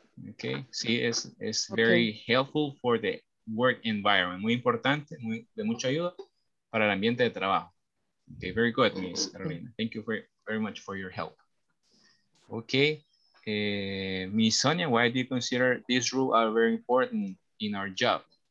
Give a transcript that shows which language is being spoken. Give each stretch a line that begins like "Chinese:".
English: Ok,
Spanish: sí, es
English: very helpful for the work environment.
Spanish: Muy importante, de mucha ayuda para el ambiente de trabajo.
English: Okay, very good, Miss Carolina. Thank you very much for your help. Okay, Miss Sonia, why do you consider these rules are very important in our job?